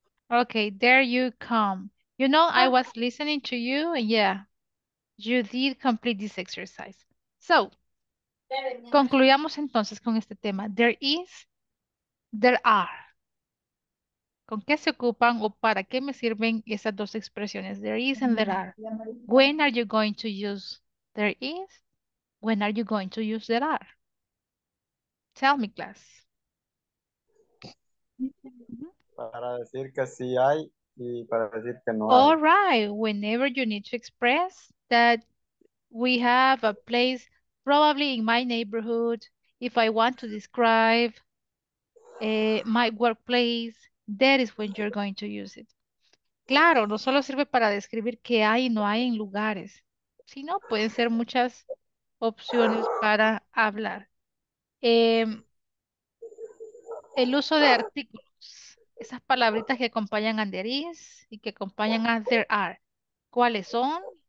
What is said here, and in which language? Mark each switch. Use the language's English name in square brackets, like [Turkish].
[English] Okay, there you come. You know, I was listening to you. Yeah, you did complete this exercise. [Spanish] So, concluyamos entonces con este tema. [English] There is, there are. [Spanish] ¿Con qué se ocupan o para qué me sirven esas dos expresiones? [English] There is and there are. When are you going to use there is? When are you going to use there are? Tell me, class. [Spanish] Para decir que sí hay y para decir que no hay. [English] All right. Whenever you need to express that we have a place probably in my neighborhood, if I want to describe my workplace, that is when you're going to use it. [Spanish] Claro, no solo sirve para describir que hay y no hay en lugares, sino pueden ser muchas opciones para hablar. El uso de artículos, esas palabritas que acompañan a [English] there is [Spanish] y que acompañan a [English] there are, [Spanish] ¿cuáles son?